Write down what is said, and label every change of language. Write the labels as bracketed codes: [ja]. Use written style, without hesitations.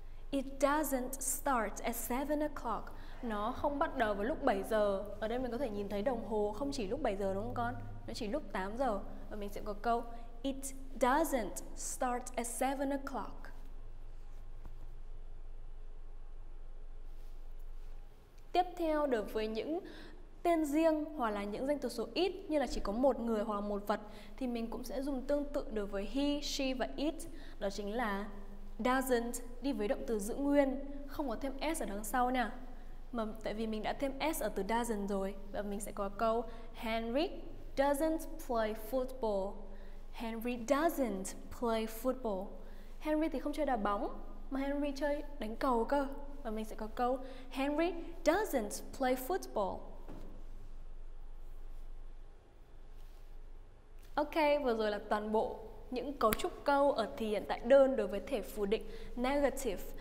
[en] It doesn't start at 7 o'clock. [vi] Nó không bắt đầu vào lúc 7 giờ. Ở đây mình có thể nhìn thấy đồng hồ không chỉ lúc 7 giờ đúng không con? Nó chỉ lúc 8 giờ. Và mình sẽ có câu [en] It doesn't start at 7 o'clock. [vi] Tiếp theo đối với những tên riêng hoặc là những danh từ số ít như là chỉ có một người hoặc một vật thì mình cũng sẽ dùng tương tự đối với he, she và it. Đó chính là doesn't đi với động từ giữ nguyên, không có thêm s ở đằng sau nè. Mà tại vì mình đã thêm s ở từ doesn't rồi. Và mình sẽ có câu [en] Henry doesn't play football. Henry doesn't play football. [vi] Henry thì không chơi đá bóng mà Henry chơi đánh cầu cơ. Và mình sẽ có câu [en] Henry doesn't play football. [vi] Ok, vừa rồi là toàn bộ những cấu trúc câu ở thì hiện tại đơn đối với thể phủ định negative.